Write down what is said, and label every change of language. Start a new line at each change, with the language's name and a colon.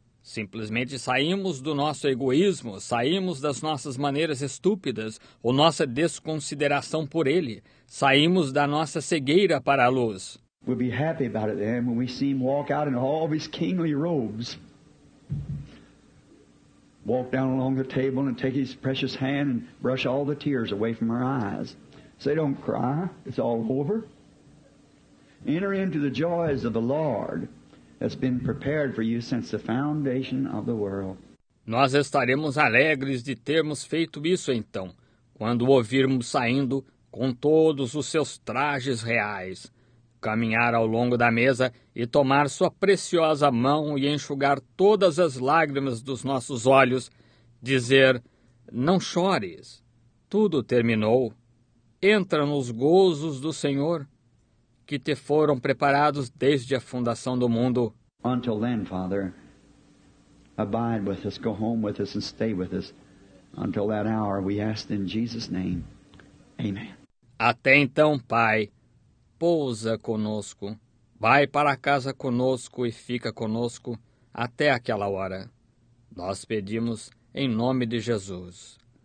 Portuguese: Simplesmente saímos do nosso egoísmo, saímos das nossas maneiras estúpidas ou nossa desconsideração por Ele, saímos da nossa cegueira para a luz.
English: We'll be happy about it then when we see Him walk out in all of His kingly robes. Walk down along the table and take His precious hand and brush all the tears away from our eyes. Say, don't cry, it's all over. Enter into the joys of the Lord that's been prepared for you since the foundation of the world.
Portuguese: Nós estaremos alegres de termos feito isso então, quando ouvirmos saindo com todos os seus trajes reais. Caminhar ao longo da mesa e tomar sua preciosa mão e enxugar todas as lágrimas dos nossos olhos, dizer, não chores, tudo terminou, entra nos gozos do Senhor, que te foram preparados desde a fundação do mundo.
English: Until then, Father, abide with us, go home with us and stay with us. Until that hour, we ask in Jesus' name, amen.
Portuguese: Até então, Pai. Pousa conosco, vai para casa conosco e fica conosco até aquela hora. Nós pedimos em nome de Jesus.